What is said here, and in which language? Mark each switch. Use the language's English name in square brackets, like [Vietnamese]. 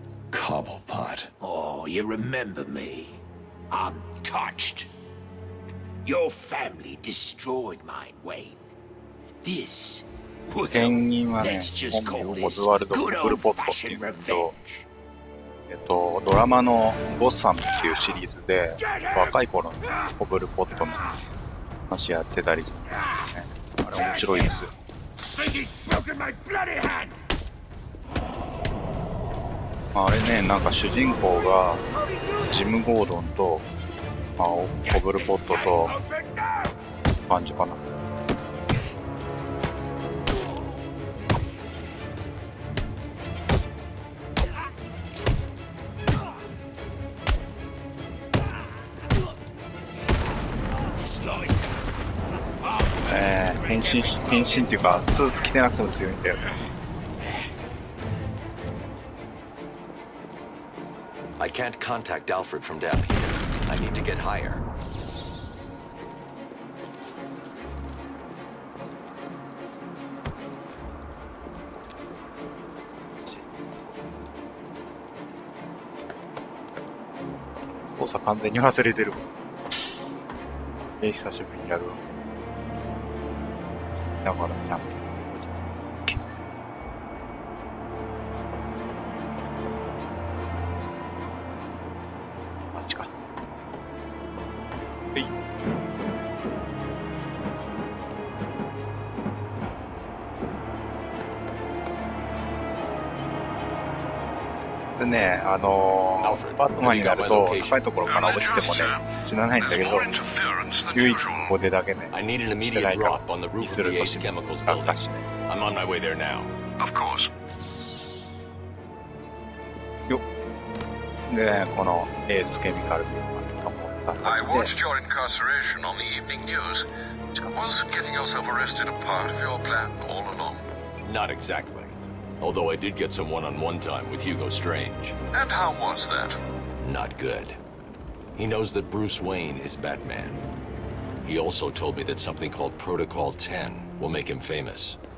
[English] Cobblepot. Oh, you remember me. I'm touched. Your family destroyed mine, Wayne. This, well, let's just call this good old-fashioned revenge. [Japanese] ドラマのボッサムっていうシリーズで、若い頃のコブルポットの話やってたりするね。あれ面白いですよ。あれね、なんか主人公がジム・ゴードンと、まあ、コブルポットと感じかな。変身っていうかスーツ着てなくても強いんだよね。 [English] I can't contact Alfred from down here. I need to get higher. [Japanese] おさ完全に忘れてる。久しぶりにやるわ。だからジャンプ。マジか。はい。でね、バットマンになると高いところから落ちてもね、死なないんだけど。 [English] I need an immediate drop on the roof of the Ace Chemicals building. I'm on my way there now. Of course. [Japanese] よ。で、このエースケミカルっていうのがあったもん。 [English] I watched your incarceration on the evening news. Was getting yourself arrested a part of your plan all along? Not exactly. Although I did get some one-on-one time with Hugo Strange. And how was that? Not good. He knows that Bruce Wayne is Batman. He also told me that something called Protocol 10 will make him famous.